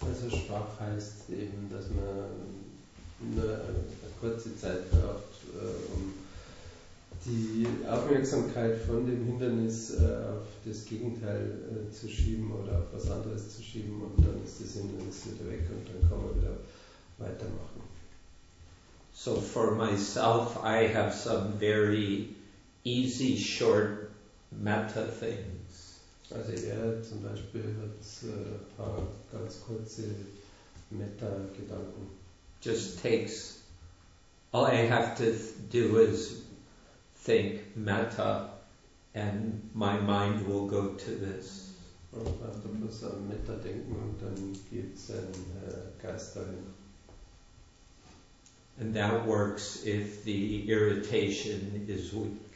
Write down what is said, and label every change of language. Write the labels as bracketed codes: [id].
[de] Also schwach heißt eben, dass man nur eine kurze Zeit braucht, um die Aufmerksamkeit von dem Hindernis auf das Gegenteil zu schieben oder auf was anderes zu schieben, und dann ist das Hindernis wieder weg und dann kann man wieder weitermachen. [en] So for myself, I have some very easy, short metta things. [de] Also er zum Beispiel hat ein paar ganz kurze Meta-Gedanken. [en] Just takes, all I have to do is think Meta and my mind will go to this. [de] Und man hat bloß an Meta denken und dann geht sein Geist dahin. [en] And that works if the irritation is weak.